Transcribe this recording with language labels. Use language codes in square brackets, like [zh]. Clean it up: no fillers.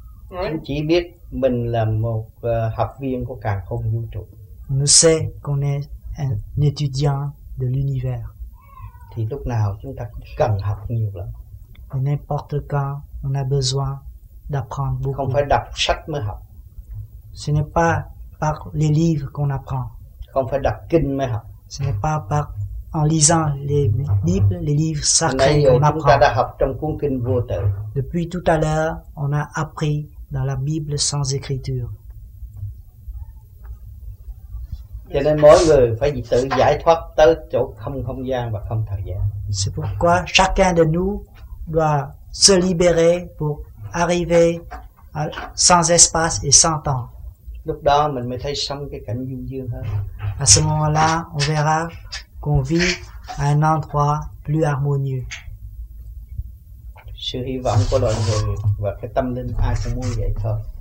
[vi] Anh chỉ biết mình là một học viên của càn khôn vũ trụ. [fr] On sait qu'on est un étudiant de l'univers. [vi] Thì lúc nào chúng ta cũng cần học nhiều lắm. [fr] N'importe quand, on a besoin d'apprendre beaucoup. [vi] Không phải đọc sách mới học. [fr] Ce n'est pas par les livres qu'on apprend. [vi] Không phải đọc kinh mới học. [fr] Ce n'est pas par en lisant les livres sacrés qu'on apprend. [vi] Chúng ta đã học trong cuốn kinh vô tự. [fr] Depuis tout à l'heure, on a appris dans la Bible sans écriture. [vi] Cho nên mỗi người phải tự giải thoát tới chỗ không không gian và không thời gian. [fr] C'est pourquoi chacun de nous doit se libérer pour arriver à, sans espace et sans temps. [vi] Lúc đó mình mới thấy sống cái cảnh du dương hơn. [fr] À ce moment-là, on verra qu'on vit à un endroit plus harmonieux. [vi] Sự hy vọng của loài người và cái tâm linh ai cũng muốn vậy thôi.